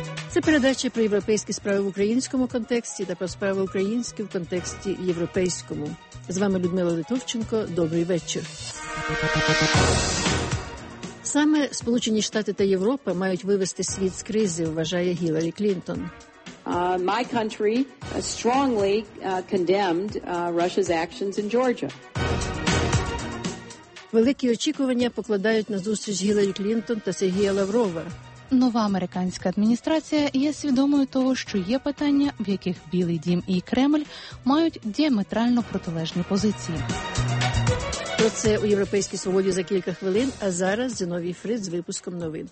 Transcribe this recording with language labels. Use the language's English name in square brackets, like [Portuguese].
[Ukrainian] Це передача про європейські справи в українському контексті та про справи українські в контексті європейському. З вами Людмила Литовченко. Добрий вечір. Саме Сполучені Штати та Європа мають вивести світ з кризи, вважає Гіларі Клінтон. [English] My country strongly condemned Russia's actions in Georgia. [Ukrainian] Великі очікування покладають на зустріч Гіларі Клінтон та Сергія Лаврова. Нова американська адміністрація є свідомою того, що є питання, в яких Білий Дім і Кремль мають діаметрально протилежні позиції. Про це у Європейській свободі за кілька хвилин, а зараз Зіновій Фрид з випуском новин.